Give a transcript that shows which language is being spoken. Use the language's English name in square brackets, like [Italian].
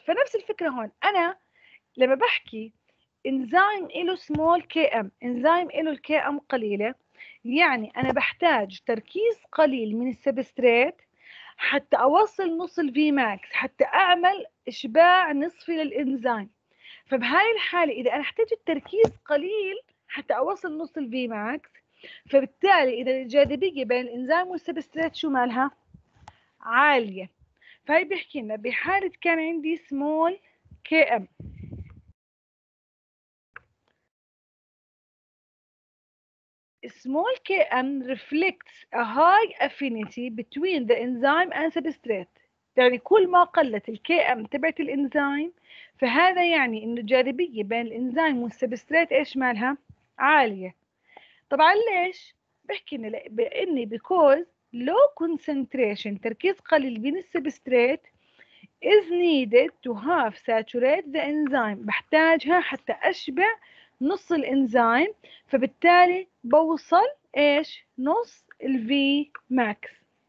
[Arabic] فنفس الفكرة هون، أنا لما بحكي إنزيم إله small KM، إنزيم إله الKM قليلة، يعني أنا بحتاج تركيز قليل من السبستريت حتى أوصل نص الـ Vmax، حتى أعمل إشباع نصفي للإنزيم. فبهاي الحالة إذا أنا احتاجت تركيز قليل حتى أوصل نص الـ Vmax، فبالتالي إذا الجاذبية بين الإنزيم والسبستريت شو مالها؟ عالية. فهي بيحكي لنا بحالة كان عندي [English] small KM، small KM reflects a high affinity between the enzyme and substrate. [Arabic] يعني كل ما قلت ال KM تبعت الإنزيم، فهذا يعني إنه الجاذبية بين الإنزيم والسبستريت إيش مالها؟ عالية. طبعاً ليش؟ بحكي لنا بإني [English] because low concentration، [Arabic] تركيز قليل بين [English] substrate is needed to half saturate the enzyme، [Arabic] بحتاجها حتى أشبع نص الإنزيم، فبالتالي بوصل إيش؟ نص الـ Vmax.